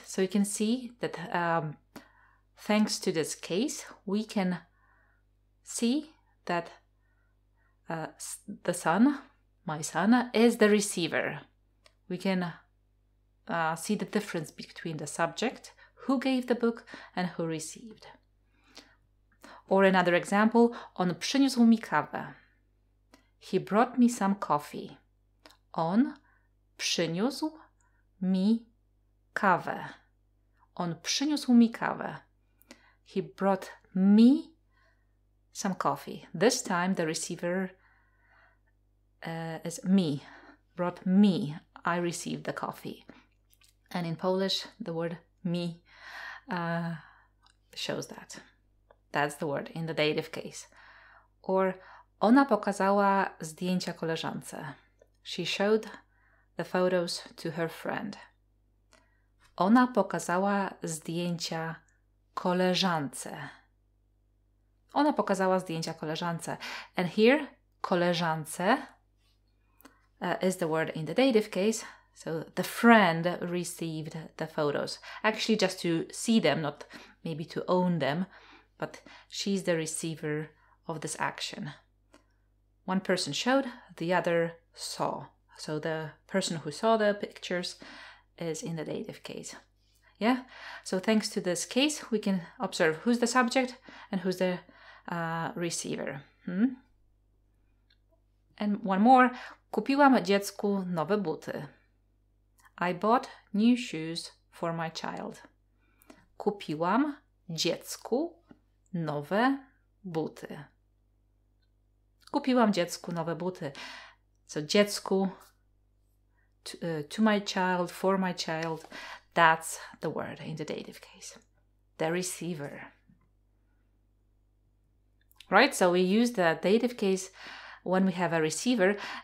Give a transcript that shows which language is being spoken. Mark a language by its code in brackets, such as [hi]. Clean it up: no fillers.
[en] So you can see that thanks to this case, we can see that the son, my son, is the receiver. We can see the difference between the subject, who gave the book, and who received. Or another example, [pl] on przyniósł mi kawę. [en] He brought me some coffee. [pl] On przyniósł mi kawę. On przyniósł mi kawę. [en] He brought me some coffee. This time the receiver is me. Brought me. I received the coffee. And in Polish, the word me shows that. That's the word in the dative case. [pl] Or ona pokazała zdjęcia koleżance. [en] She showed the photos to her friend. [pl] Ona pokazała zdjęcia koleżance. Ona pokazała zdjęcia koleżance. [en] And here, koleżance is the word in the dative case. So the friend received the photos. Actually, just to see them, not maybe to own them, but she's the receiver of this action. One person showed, the other saw. So the person who saw the pictures is in the dative case. Yeah? So thanks to this case, we can observe who's the subject and who's the receiver. And one more. [pl] Kupiłam dziecku nowe buty. [en] I bought new shoes for my child. [pl] Kupiłam dziecku nowe buty. Kupiłam dziecku nowe buty. [en] So dziecku, to my child, for my child, that's the word in the dative case. The receiver. Right? So we use the dative case when we have a receiver.